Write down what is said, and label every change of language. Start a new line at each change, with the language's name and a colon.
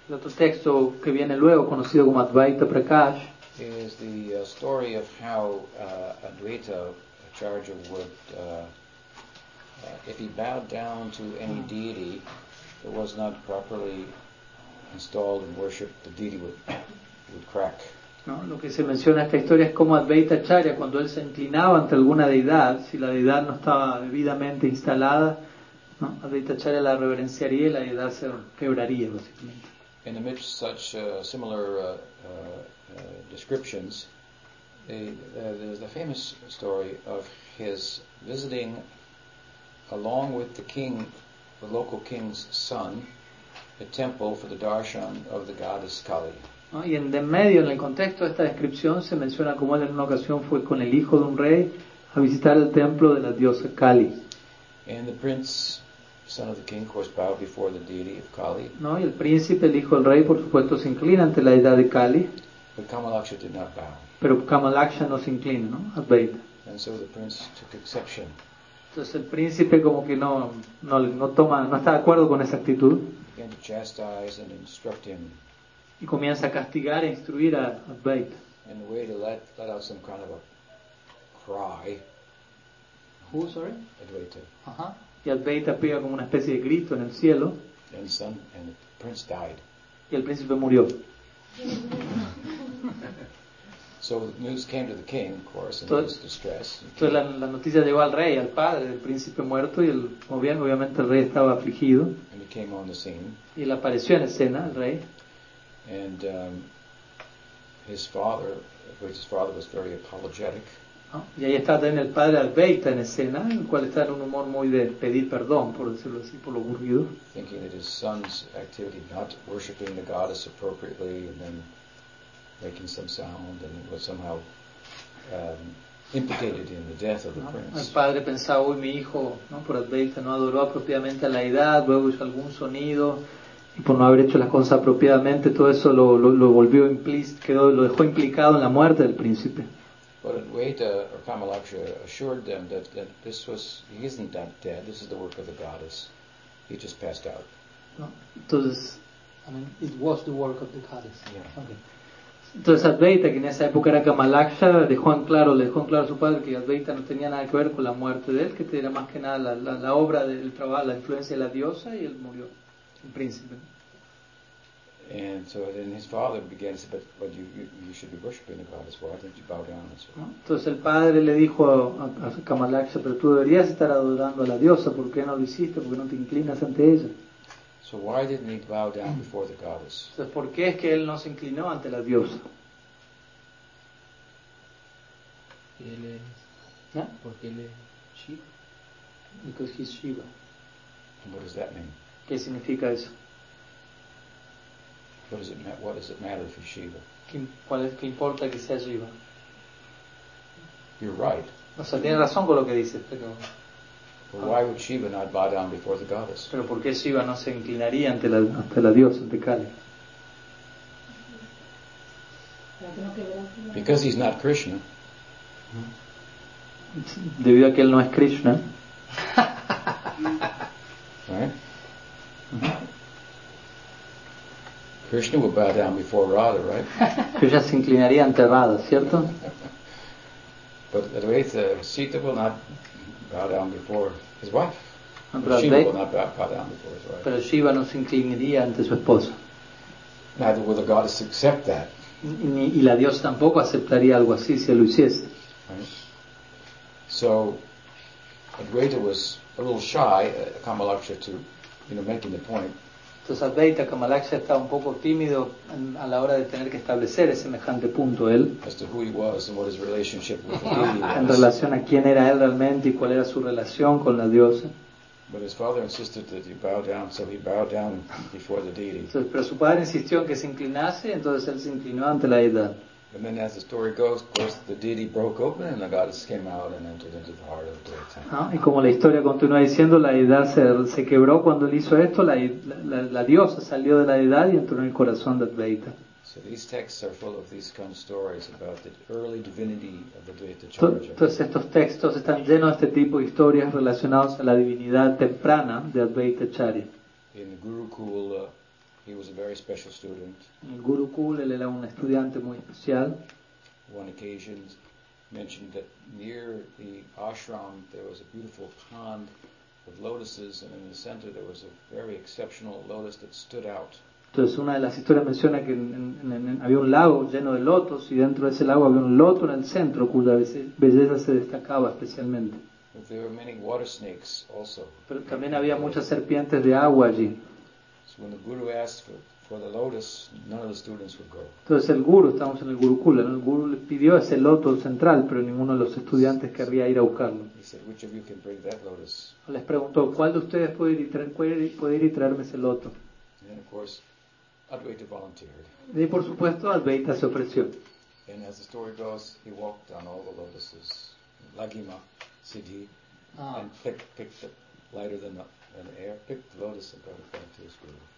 Spanish: El otro texto que viene luego, conocido como Advaita Prakash.
English: Is the story of how Advaita Acharya would, if he bowed down to any deity that was not properly installed and worshipped, the deity would crack.
Spanish: No, lo que se menciona en esta historia es como Advaita Acharya, cuando él se inclinaba ante alguna deidad, si la deidad no estaba debidamente instalada, ¿no? Advaita Acharya la reverenciaría y la deidad se quebraría, básicamente.
English: In amidst such similar descriptions, there's the famous story of his visiting, along with the king, the local king's son, a temple for the darshan of the goddess Kali.
Spanish: ¿No? Y en de medio, en el contexto de esta descripción, se menciona cómo él en una ocasión fue con el hijo de un rey a visitar el templo de la diosa Kali.
English: And the prince, son of the king, of course, bowed before the deity of Kali.
Spanish: ¿No? Y el príncipe, el hijo del rey, por supuesto, se inclina ante la deidad de Kali.
English: But Kamalaksha did not bow.
Spanish: Pero Kamalaksha no se inclina, ¿no? Advaita.
English: And so the prince took exception.
Spanish: Entonces el príncipe como que no está de acuerdo con esa actitud.
English: Began to chastise and instruct him.
Spanish: Y comienza a castigar e instruir a Advaita.
English: And the way to let out some kind of a cry. Who, sorry? Advaita. Uh-huh.
Spanish: Y Advaita pega como una especie de grito en el cielo.
English: And son, and the prince died.
Spanish: Y el príncipe murió.
English: So the news came to the king, of course, in his distress.
Spanish: Entonces la noticia llegó al rey, al padre del príncipe muerto, y el obviamente el rey estaba afligido.
English: And he came on the scene.
Spanish: Y él apareció en escena, el rey.
English: And his father, which his father was very apologetic.
Spanish: Oh, y ahí está también el padre Advaita en escena, el cual está en un humor muy de pedir perdón, por decirlo así, por lo ocurrido.
English: Thinking that his son's activity not worshiping the goddess appropriately and then making some sound and it was somehow implicated in the death of the prince.
Spanish: El padre pensaba, uy, mi hijo, ¿no? Por Advaita no adoró apropiadamente a la edad, luego hizo algún sonido y por no haber hecho las cosas apropiadamente, todo eso lo volvió quedó, lo dejó implicado en la muerte del príncipe.
English: But Advaita or Kamalaksha assured them that this was, he isn't that dead, this is the work of the goddess. He just passed out.
Spanish: Entonces,
English: I mean, it was the work of the goddess. Yeah. Okay.
Spanish: Entonces Advaita, que en esa época era Kamalaksha, le dejó en claro a su padre que Advaita no tenía nada que ver con la muerte de él, que era más que nada la obra del trabajo, la influencia de la diosa, y él murió, el príncipe.
English: And so then his father began to say, but you should be worshiping the goddess. Why don't you bow down?
Spanish: Entonces el padre le dijo a Kamalaksha, pero tú deberías estar adorando a la diosa. ¿Por qué no lo hiciste? ¿Por qué no te inclinas ante ella?
English: So why didn't he bow down before the goddess?
Spanish: Entonces, ¿por qué es que él no se inclinó ante la diosa? Él es, ¿eh? Porque él es Shiva.
English: Because he's Shiva. And what does that mean?
Spanish: ¿Qué significa eso?
English: What does it matter if you're Shiva?
Spanish: ¿Qué importa que sea Shiva?
English: You're right.
Spanish: O sea, tiene razón con lo que dice, pero.
English: Well, why would Shiva not bow down before the goddess?
Spanish: Pero ¿por qué Shiva no se inclinaría ante la diosa, ante Kali?
English: Because he's not Krishna.
Spanish: Debido a que él no es Krishna.
English: Krishna would bow down before Radha, right?
Spanish: Krishna se inclinaría ante Radha, ¿cierto?
English: But Advaita, Sita will not bow down before his wife. Shiva will not bow down before his wife.
Spanish: Pero Shiva no se inclinaría ante su esposa.
English: Neither will the goddess accept that.
Spanish: Y la diosa tampoco aceptaría algo así si lo hiciese.
English: Right? So Advaita was a little shy, Kamalaksha, to, you know, making the point.
Spanish: Entonces Advaita Kamalaksha estaba un poco tímido a la hora de tener que establecer ese semejante punto él.
English: As to who he was and what his relationship with the deity was.
Spanish: En relación a quién era él realmente y cuál era su relación con la diosa.
English: But his father insisted that he bow down, so he bowed down before the deity.
Spanish: Entonces, pero su padre insistió en que se inclinase, entonces él se inclinó ante la deidad.
English: And then as the story goes, of course, the deity broke open and the goddess came out and entered into the heart of the deity.
Spanish: Y como la historia continúa diciendo, la deidad se quebró cuando él hizo esto, la diosa salió de la deidad y entró en el corazón de Advaita.
English: So these texts are full of these kind of stories about the early divinity of the Advaita Charya.
Spanish: Entonces estos textos están llenos de este tipo de historias relacionadas a la divinidad temprana de Advaita Charya.
English: In Gurukul, he was a very special student.
Spanish: El Gurukul, él era un estudiante muy especial.
English: One occasion mentioned that near the ashram there was a beautiful pond with lotuses, and in the center there was a very exceptional lotus that stood out.
Spanish: Entonces una de las historias menciona que había un lago lleno de lotos y dentro de ese lago había un loto en el centro cuya belleza se destacaba especialmente.
English: But there were many water snakes also.
Spanish: Pero también había muchas serpientes de agua allí.
English: So when the guru asked for the lotus, none of the students would go.
Spanish: Entonces el guru, estamos en el Gurukula, ¿no? El guru le pidió ese loto central, pero ninguno de los estudiantes querría ir a buscarlo.
English: He said, which of you can bring that lotus?
Spanish: Les preguntó, ¿cuál de ustedes puede ir y traerme ese loto?
English: And of course, Advaita volunteered.
Spanish: Y por supuesto, Advaita se ofreció.
English: And as the story goes, he walked on all the lotuses, Lagima, Siddhi, and picked the lighter than the and the air picked the lotus and brought it back to his guru.